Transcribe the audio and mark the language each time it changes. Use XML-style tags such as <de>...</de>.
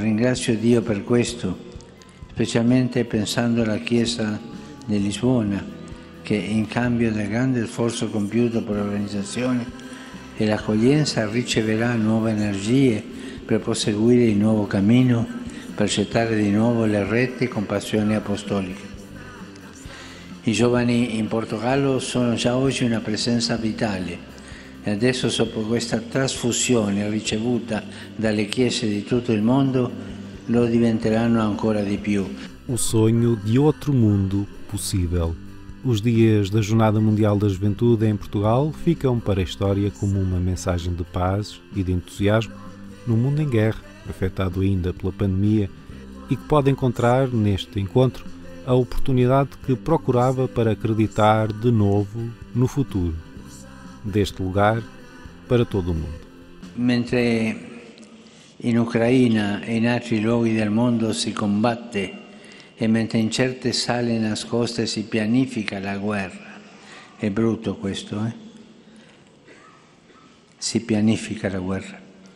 <it>Ringrazio Dio per questo, specialmente pensando alla Chiesa di Lisbona, che in cambio del grande sforzo compiuto per l'organizzazione e l'accoglienza riceverà nuove energie per proseguire il nuovo cammino, per gettare di nuovo le reti con passione apostolica. I giovani in Portogallo sono già oggi una presenza vitale e adesso, dopo questa trasfusione ricevuta dalle chiese di tutto il mondo, lo diventeranno ancora di più.</it> <pt>O sonho de outro mundo possível. Os dias da Jornada Mundial da Juventude em Portugal ficam para a história como uma mensagem de paz e de entusiasmo num mundo em guerra, afetado ainda pela pandemia, e que pode encontrar neste encontro a oportunidade que procurava para acreditar de novo no futuro, deste lugar para todo o mundo.</pt> <it>Mentre in Ucraina e in altri luoghi del mondo si combatte e mentre in certe sale nascoste si pianifica la guerra, è brutto questo, si pianifica la guerra.</it>